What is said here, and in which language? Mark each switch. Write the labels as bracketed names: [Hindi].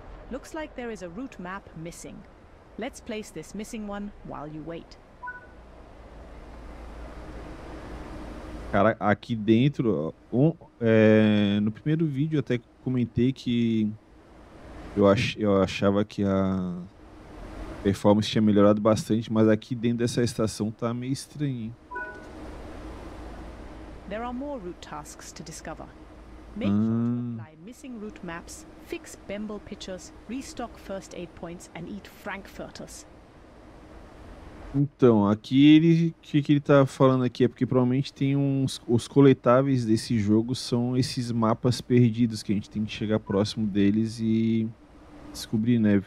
[English] Looks like there is a route map missing. Let's place this missing one while you wait. [Portuguese] Cara, aqui dentro, no primeiro vídeo até comentei que Eu achava que a performance tinha melhorado bastante, mas aqui dentro dessa estação tá meio estranho. [English] There are more route tasks to discover. Make sure to apply missing route maps, fix Bembel pitchers, restock first aid points and eat frankfurters. [Portuguese] Então, aqui ele, que ele tá falando aqui é porque provavelmente tem uns os coletáveis desse jogo são esses mapas perdidos que a gente tem que chegar próximo deles e descobrir, né?